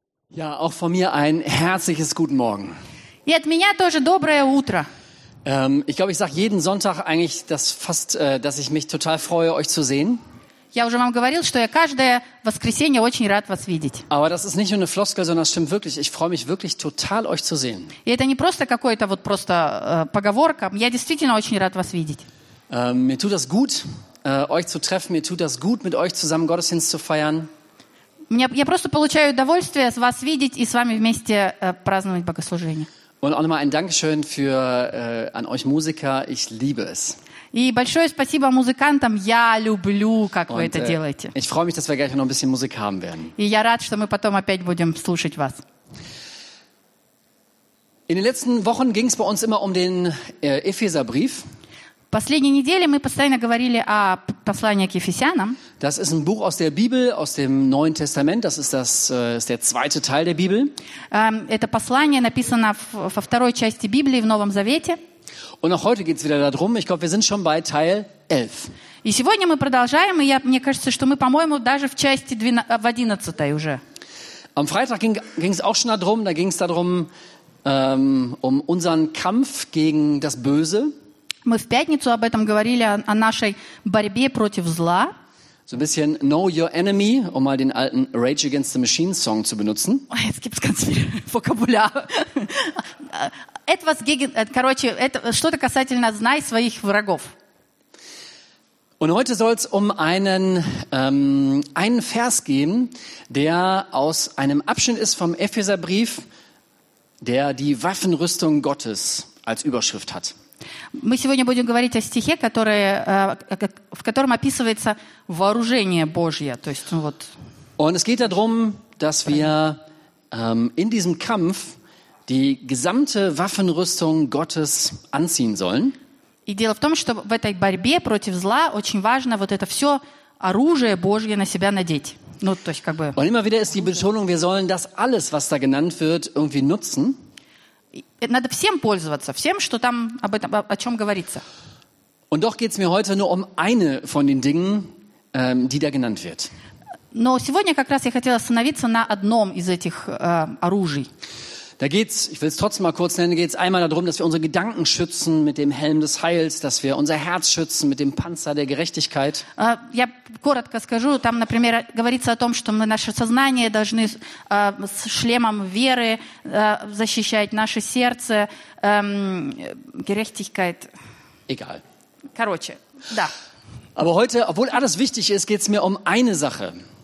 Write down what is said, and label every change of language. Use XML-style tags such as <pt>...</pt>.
<de>Ja, auch von mir ein herzliches guten Morgen.</de> <ru>И от меня тоже доброе утро.</ru> <de>Ich glaube, ich sage jeden Sonntag eigentlich das fast, dass ich mich total freue, euch zu sehen.</de> <ru>Я уже вам говорил, что я каждое воскресенье очень рад вас видеть.</ru> <de>Aber das ist nicht nur eine Floskel, sondern es stimmt wirklich. Ich freue mich wirklich total, euch zu sehen.</de> <ru>И это не просто какое-то вот просто поговорка. Я действительно очень рад вас видеть.</ru> <de>Mir tut das gut, euch zu treffen. Mir tut das gut, mit euch zusammen Gottesdienst zu feiern.</de> <ru>Я просто получаю удовольствие вас видеть и с вами вместе праздновать богослужение.</ru> <de>Und auch nochmal ein Dankeschön für an euch Musiker. Ich liebe es.</de> <ru>И большое спасибо музыкантам. Я люблю, как вы это делаете.</ru> <de>Ich freue mich, dass wir gleich noch ein bisschen Musik haben werden.</de> <ru>И я рад, что мы потом опять будем слушать вас.</ru> <de>In den letzten Wochen ging es bei uns immer um den Epheserbrief.</de> <ru>Последние недели мы постоянно говорили о послании к Ефесянам.</ru> <de>Das ist ein Buch aus der Bibel, aus dem Neuen Testament. Das ist das ist der zweite Teil der Bibel.</de> <ru>Это послание написано во второй части Библии в Новом Завете.</ru> <de>Und auch heute geht's wieder darum. Ich glaube, wir sind schon bei Teil 11.</de> <ru>И сегодня мы продолжаем, и мне кажется, что мы, по-моему, даже в части 11 уже.</ru> <de>Am Freitag ging es auch schon darum. Da ging es darum um unseren Kampf gegen das Böse.</de> <ru>Мы в пятницу об этом говорили, о нашей борьбе против зла.</ru> <de>So ein bisschen Know Your Enemy, um mal den alten Rage Against the Machine Song zu benutzen. Oh, jetzt gibt's ganz viel Vokabular. Etwas gegen,</de> <ru>короче, что-то касательно «Знай своих врагов».</ru> <de>Und heute soll es um einen Vers gehen, der aus einem Abschnitt ist vom Epheserbrief, der die Waffenrüstung Gottes als Überschrift hat.</de> <ru>Мы сегодня будем говорить о стихе, который, в котором описывается вооружение Божье. То есть, ну вот.</ru> <de>Und es geht darum, dass wir in diesem Kampf die gesamte Waffenrüstung Gottes anziehen sollen.</de> <ru>И дело в том, что в этой борьбе против зла очень важно вот это все оружие Божье на себя надеть. Ну, то есть, как бы.</ru> <de>Und immer wieder ist die Betonung, wir sollen das alles, was da genannt wird, irgendwie nutzen.</de> <ru>Надо всем пользоваться, всем, что там об этом, о чем говорится.</ru> <de>Und doch geht's mir heute nur um eine von den Dingen, die da genannt wird.</de> <ru>Но сегодня как раз я хотела остановиться на одном из этих оружий.</ru> <de>Da geht's, ich will es trotzdem mal kurz nennen, geht's einmal darum, dass wir unsere Gedanken schützen mit dem Helm des Heils, dass wir unser Herz schützen mit dem Panzer der Gerechtigkeit.</de> <ru>Я коротко скажу, там, например, говорится о том, что мы наше сознание должны с шлемом веры защищать, наше сердце, Gerechtigkeit.</ru> <de>Egal.</de> <ru>Короче, да.</ru> <de>Aber heute, obwohl alles wichtig ist, geht's mir um eine Sache.</de>